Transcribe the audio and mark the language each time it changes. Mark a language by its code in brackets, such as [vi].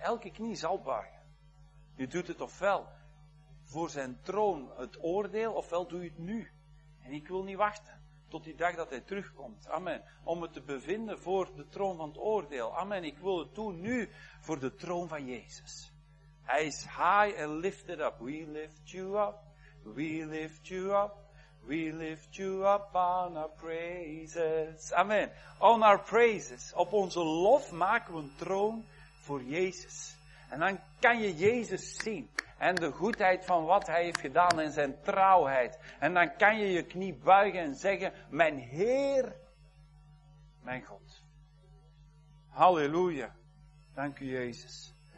[nl] Elke knie zal buigen. Je doet het ofwel voor zijn troon het oordeel, ofwel doe je het nu. En ik wil niet wachten tot die dag dat hij terugkomt. Amen. Om het te bevinden voor de troon van het oordeel. Amen. Ik wil het doen nu voor de troon van Jezus. Hij is [en] high and lifted up. We lift you up. We lift you up. We lift you up on our praises. Amen. On our praises. [nl] Op onze lof maken we een troon voor Jezus. En dan kan je Jezus zien. En de goedheid van wat hij heeft gedaan en zijn trouwheid. En dan kan je je knie buigen en zeggen, mijn Heer, mijn God. Halleluja. Dank u, Jezus.